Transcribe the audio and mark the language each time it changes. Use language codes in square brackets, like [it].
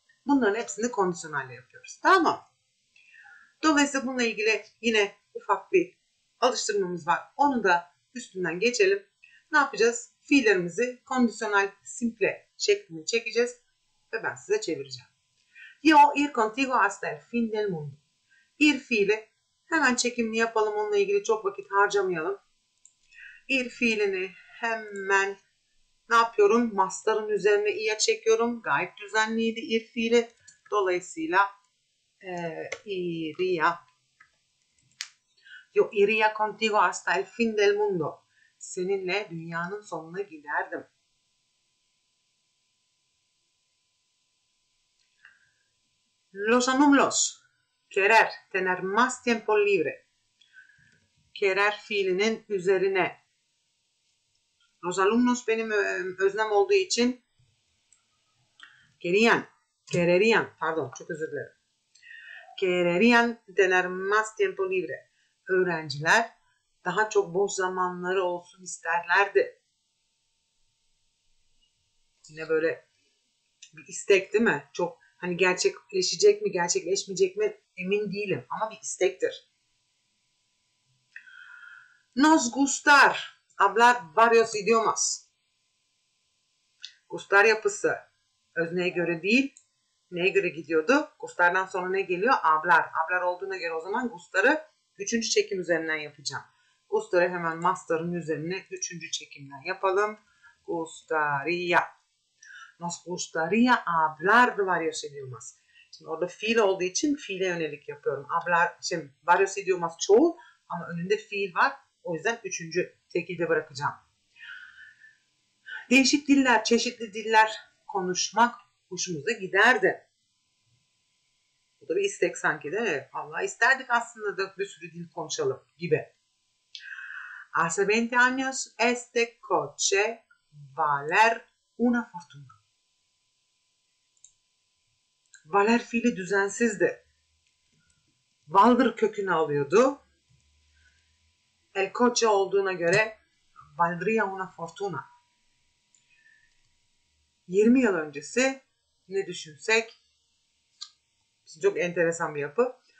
[tr] Bunların hepsini kondisyonelle yapıyoruz. Tamam. Dolayısıyla bununla ilgili yine ufak bir alıştırmamız var. Onu da üstünden geçelim. Ne yapacağız? Fiillerimizi kondisyonel simple şeklinde çekeceğiz ve ben size çevireceğim. [es] Yo ir contigo hasta el fin del mundo. [tr] Ir fiili hemen çekimini yapalım. Onunla ilgili çok vakit harcamayalım. Ir fiilini hemen ne yapıyorum? Mastarın üzerine i'ye çekiyorum. Gayet düzenliydi ir fiili. Dolayısıyla [es] İria. [tr] Yok, [es] iría contigo hasta el fin del mundo. [tr] Seninle dünyanın sonuna giderdim. [es] Los anumlos. Querer. Tener más tiempo libre. [tr] Querer fiilinin üzerine. [es] Los alumnos [tr] benim öznem olduğu için [es] querían, quererían, [tr] pardon çok özür dilerim. [es] Quererían tener más tiempo libre. [tr] Öğrenciler daha çok boş zamanları olsun isterlerdi. Yine böyle bir istek değil mi? Çok hani gerçekleşecek mi, gerçekleşmeyecek mi emin değilim ama bir istektir. [es] Nos gustar hablar varios idiomas. [tr] Gustar yapısı özneye göre değil, neye göre gidiyordu? Gustar'dan sonra ne geliyor? Hablar. Hablar olduğuna göre o zaman gustarı üçüncü çekim üzerinden yapacağım. Gustarı hemen master'ın üzerine üçüncü çekimden yapalım. [es] Gustaría. Nos gustaría hablar de varios idiomas. [tr] Şimdi orada fiil olduğu için fiile yönelik yapıyorum. Hablar, şimdi [es] varios idiomas [tr] çoğul ama önünde fiil var. O yüzden üçüncü tekilde bırakacağım. Değişik diller, çeşitli diller konuşmak hoşumuza giderdi. Bu da bir istek sanki değil mi? Vallahi isterdik aslında da bir sürü dil konuşalım gibi. [es] Hace 20 años este coche valer una fortuna. [tr] Valer fiili düzensizdi. Valdır kökünü alıyordu. [es] El coche [tr] olduğuna göre [es] valdría una fortuna. [tr] 20 yıl öncesi ne düşünsek çok enteresan bir yapı.